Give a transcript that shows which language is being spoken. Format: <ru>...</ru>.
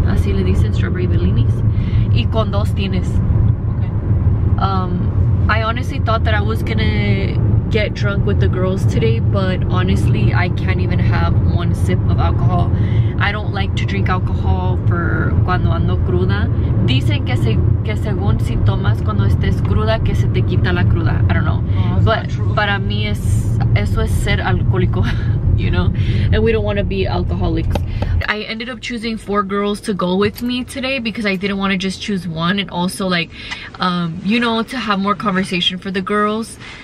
<es>Así le dicen, strawberry Bellinis. Y con dos tienes.</es> <en>I honestly thought that I was gonna get drunk with the girls today, but honestly, I can't even have one sip of alcohol. I don't like to drink alcohol for</en> <es>cuando ando cruda. Dicen que según si tomas cuando estés cruda, que se te quita la cruda.</es> <en>I don't know. No,</en> <es>but para mí eso es ser alcohólico.</es> <en>You know, and we don't want to be alcoholics. I ended up choosing four girls to go with me today because I didn't want to just choose one, and also like, you know, to have more conversation for the girls.</en>